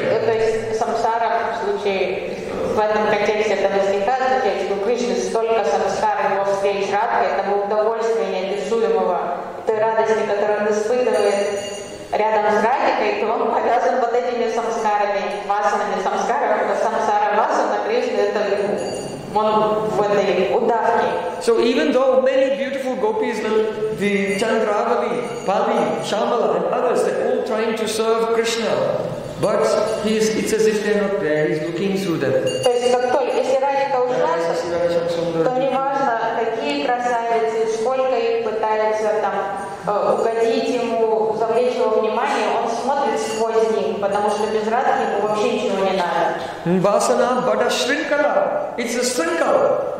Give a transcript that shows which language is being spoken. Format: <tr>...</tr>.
<ru>То есть самсара в случае, в этом контексте это не стиха, что Кришна столько самсара его встреч Радхи, этого удовольствия неописуемого, той радости, которую он испытывает, рядом с Радикой, то он повязан вот этими самскарами, васанами, самскарами, самсара васана, Кришна, это он в этой удавке.</ru> <en>So even though many beautiful gopis, the Chandravali, Pali, Shamala and others, they're all trying to serve Krishna, but it's as if they're not there, he's looking through them.</en> <ru>То есть, как только, если Радика ушла, то неважно, какие красавицы, сколько их пытаются там угодить ему, завлечь его внимание, он смотрит сквозь них, потому что без Радхи ему вообще ничего не надо.</ru> <sa>Vasana bada shrinkala.</sa> <en>It's a shrinkala.</en>